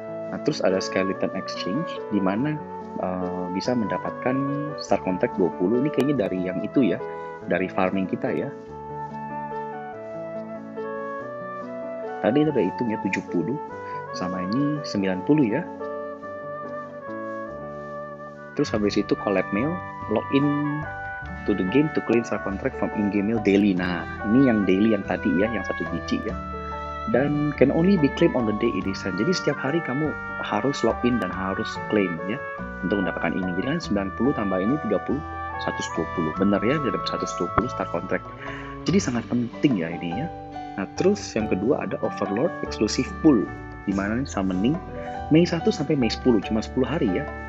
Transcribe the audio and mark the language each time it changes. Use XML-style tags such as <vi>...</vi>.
<id>Nah terus ada Skeleton Exchange, di mana bisa mendapatkan star contract 20. Ini kayaknya dari yang itu ya, dari farming kita ya. Tadi kita udah hitung ya, 70 sama ini 90 ya. Terus habis itu collab mail, login to the game to claim smart contract from in-game mail daily. Nah, ini yang daily yang tadi ya, yang satu biji ya.</id> <en>Dan can only be claimed on the day it is sent.</en> <id>Jadi setiap hari kamu harus login dan harus claim ya untuk mendapatkan ini. Jadi kan 90 tambah ini 30, 120. Benar ya, jadi 120 smart contract. Jadi sangat penting ya ini ya. Nah, terus yang kedua ada Overlord Exclusive Pool. Di mana nih summoning Mei 1 sampai Mei 10, cuma 10 hari ya.</id>